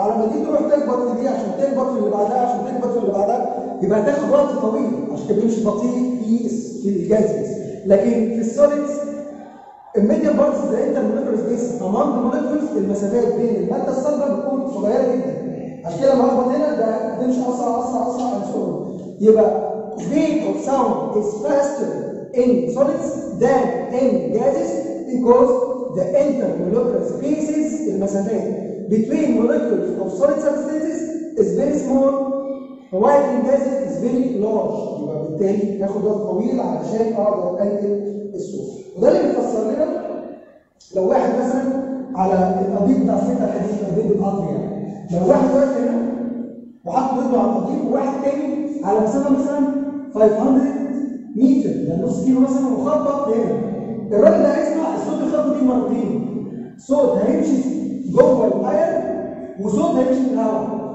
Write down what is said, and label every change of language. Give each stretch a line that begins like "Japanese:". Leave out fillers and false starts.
Arabic: على ما دي تروح تكبر في دي عشان تكبر في اللي بعدها عشان تكبر في اللي بعدها يبقى تاخد وقت طويل عشان تمشي بطيء في الجازز. لكن في السوليدز الميديم بارتس ده انت المولكيولر سبيس امام المولكيولز المسافات بين الماده الصلبه بتكون صغيره جدا. عشان كده لما اخبط هنا ده بيمشي اسرع اسرع اسرع عن السوليدز.
English: يبقى speed of sound is faster in solids than in gases because the intermolecular spaces المسافات between molecules of solid substances is very small while in gases is very large.
Arabic: يبقى بالتالي ناخد وقت طويل علشان اقدر انقل الصوت. وده اللي بيفسر لنا لو واحد مثلا على القضيب بتاع سكه الحديد قضيب القطر، يعني لو واحد واقف هنا وحط ايده على القضيب وواحد تاني على مسافه مثلا 500 متر يعني نص كيلو مثلا مخبط هنا، الراجل ده هيسمع الصوت الخبط دي مرتين، صوت هيمشي جوه الايرون وصوت هيمشي في الهواء.